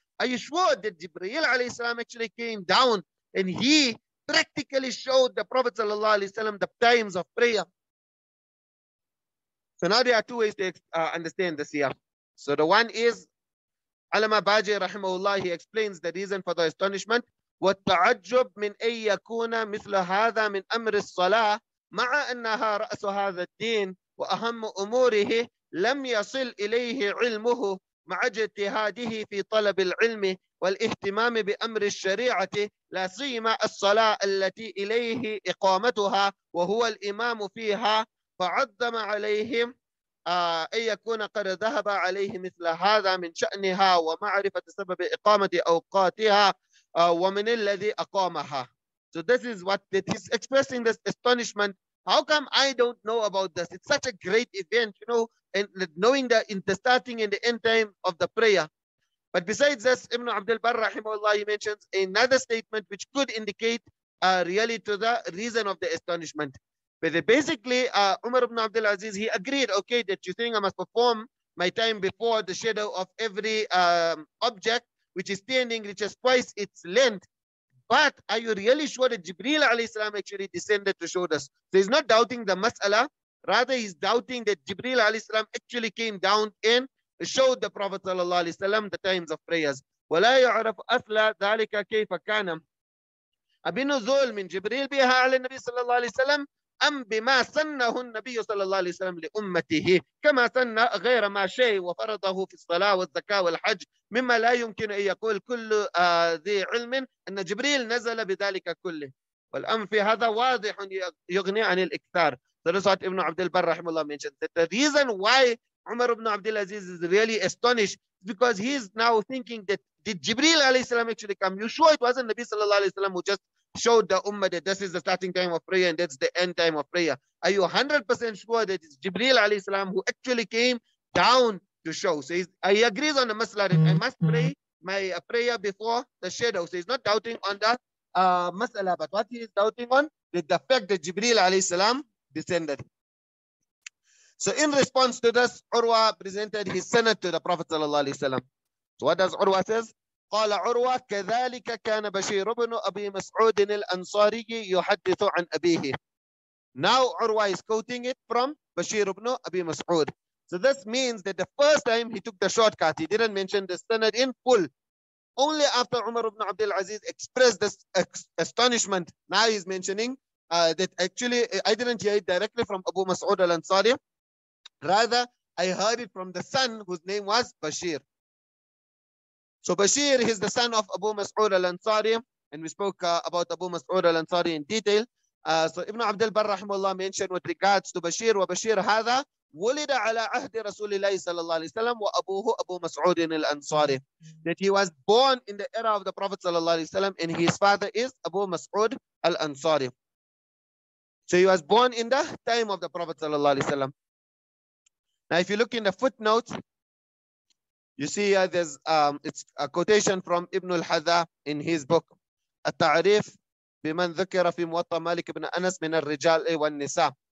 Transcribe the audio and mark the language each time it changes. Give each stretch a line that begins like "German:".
English: Are you sure that Jibreel alayhi salam actually came down and he practically showed the Prophet sallallahu alayhi wa sallam the times of prayer? So now there are two ways to understand this here. So the one is, Alama Baji rahimahullah, he explains the reason for the astonishment.
Arabic: وَالتَّعَجُّبْ مِنْ أَيْ يَكُونَ مِثْلَ هَذَا مِنْ أَمْرِ الصَّلَاةِ مَعَ أَنَّهَا رَأْسُ هَذَا الدِّينِ وَأَهَمُّ أُمُورِهِ لَمْ يَصِلْ إِلَيْهِ عِلْمُهُ مَعَ اجْتِهَادِهِ فِي طَلَبِ الْعِلْمِ وَالْإِهْتِمَامِ بِأَمْرِ الشَّرِيعَةِ لَا سِيمَ الصَّلَاةِ الَّتِي إِلَيْهِ إِقَامَتُهَا وَهُوَ الْإِمَامُ فِيهَا فعظم عليهم أن يكون قد ذهب عليه مثل هذا من شأنها ومعرفة سبب إقامة أوقاتها ومن الذي أقامها.
English: So this is what that he's expressing, this astonishment. How come I don't know about this? It's such a great event, you know, and knowing that in the starting and the end time of the prayer. But besides this, Ibn Abdul Barr, rahimahullah, he mentions another statement which could indicate really to the reason of the astonishment. But basically, Umar ibn Abdul Azīz, he agreed, okay, that you think I must perform my time before the shadow of every object which is standing, which is twice its length. But are you really sure that Jibreel alayhi salam actually descended to show this? So he's not doubting the mas'ala. Rather, he's doubting that Jibreel alayhi salam actually came down and showed the Prophet sallallahu alayhi salam the times of prayers.
Arabic: وَلَا يُعْرَفْ أَثْلَ ذَلِكَ كَيْفَ كَانَمْ أَبِنُزُولْ مِنْ جِبْرِيلِ بِهَا عَلَى النَّبِي sallallahu alayhi salam. أم بما سنه النبي صلى الله عليه وسلم لأمته كما سن غير ما شيء وفرضه في الصلاة والزكاة والحج مما لا يمكن أن يقول كل ذي علم أن جبريل نزل بذلك كله والأمر في هذا واضح يغني عن الإكثار
English: That is what Ibn Abdul Barr rahimullah mentioned. That the reason why Umar ibn Abdul Azīz is really astonished is because he is now thinking that did Jibreel alayhi salam actually come? You sure it wasn't Nabi sallallahu alayhi salam who just showed the ummah that this is the starting time of prayer and that's the end time of prayer? Are you 100% sure that it's Jibreel alayhi salam who actually came down to show? So he agrees on the masala that I must pray my prayer before the shadow. So he's not doubting on the masala, but what he is doubting on is the fact that Jibreel alayhi salam descended. So in response to this, Urwah presented his sanad to the Prophet sallallahu alayhi wasallam. So what does Urwah says?
Arabic: قال عروة كذلك كان بشير بن أبي مسعود الأنصاري يحدث عن أبيه.
English: Now Urwah is quoting it from Bashir ibn Abi Mas'ud. So this means that the first time he took the shortcut, he didn't mention the sanad in full. Only after Umar ibn Abdul Aziz expressed this astonishment, now he's mentioning that actually I didn't hear it directly from Abu Mas'ud al-Ansari. Rather, I heard it from the son whose name was Bashir. So Bashir, he's the son of Abu Mas'ud al-Ansari, and we spoke about Abu Mas'ud al-Ansari in detail. So Ibn Abdul Barr rahimahullah mentioned with regards to Bashir,
Arabic: وَبَشِيرْ هَذَا وُلِدَ عَلَىٰ عَهْدِ رَسُولِ اللَّهِ صَلَى اللَّهِ عَلَيْهِ وَسَلَّمْ وَأَبُوهُ أَبُو مَسْعُودٍ الْأَنصَارِ.
English: That he was born in the era of the Prophet صلى الله عليه وسلم, and his father is Abu Mas'ud al-Ansari. So he was born in the time of the Prophet صلى الله عليه وسلم. Now if you look in the footnotes, you see there's it's a quotation from Ibn al-Hadha in his book, At-Ta'rif biman dhukira fi Muwaṭṭa Malik ibn Anas min al-Rijal wal-Nisa.